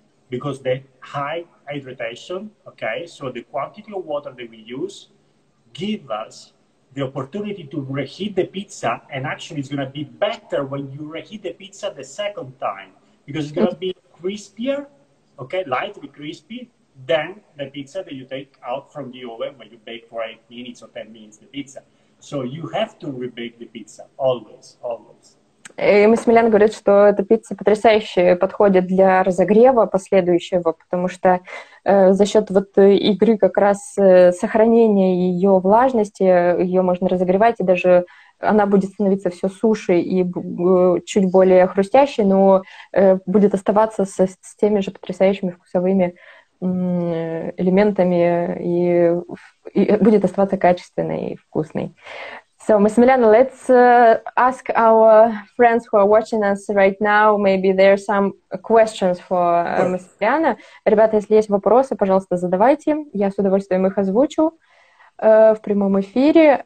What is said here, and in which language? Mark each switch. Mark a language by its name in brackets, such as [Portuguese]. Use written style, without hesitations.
[English] Because the high hydration, okay, so the quantity of water that we use give us the opportunity to reheat the pizza, and actually it's going to be better when you reheat the pizza the second time, because it's going to be crispier, okay, lightly crispy, than the pizza that you take out from the oven when you bake for 8 minutes or 10 minutes the pizza. So you have to rebake the pizza, always, always. [Russian] И Масимилиано говорит, что эта пицца потрясающе подходит для разогрева последующего, потому что за счет вот игры как раз сохранения ее влажности, ее можно разогревать, и даже она будет становиться все суше и чуть более хрустящей, но будет оставаться с теми же потрясающими вкусовыми элементами и будет оставаться качественной и вкусной. [English] So, Miss Milena, let's ask our friends who are watching us right now. Maybe there are some questions for Miss Milena. [Russian] Ребята, если есть вопросы, пожалуйста, задавайте. Я с удовольствием их озвучу в прямом эфире.